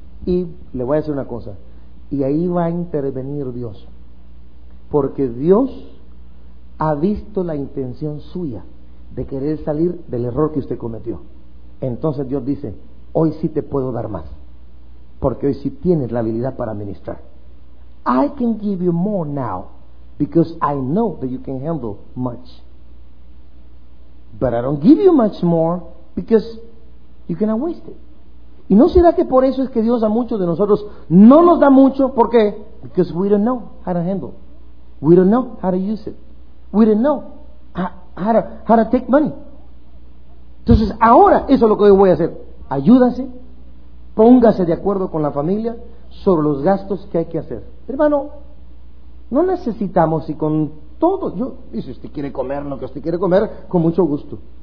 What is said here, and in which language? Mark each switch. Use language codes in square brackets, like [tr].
[es] Y le voy a decir una cosa, y ahí va a intervenir Dios, porque Dios ha visto la intención suya de querer salir del error que usted cometió. Entonces Dios dice, hoy sí te puedo dar más, porque hoy sí tienes la habilidad para administrar. [en] I can give you more now because I know that you can handle much. But I don't give you much more because you cannot waste it. [es] ¿Y no será que por eso es que Dios a muchos de nosotros no nos da mucho? ¿Por qué? [en] Because we don't know how to handle. We don't know how to use it. We don't know how to take money. [es] Entonces, ahora eso es lo que yo voy a hacer. Ayúdase, póngase de acuerdo con la familia sobre los gastos que hay que hacer. Hermano, no necesitamos y con todo, yo, y si usted quiere comer lo que usted quiere comer, con mucho gusto.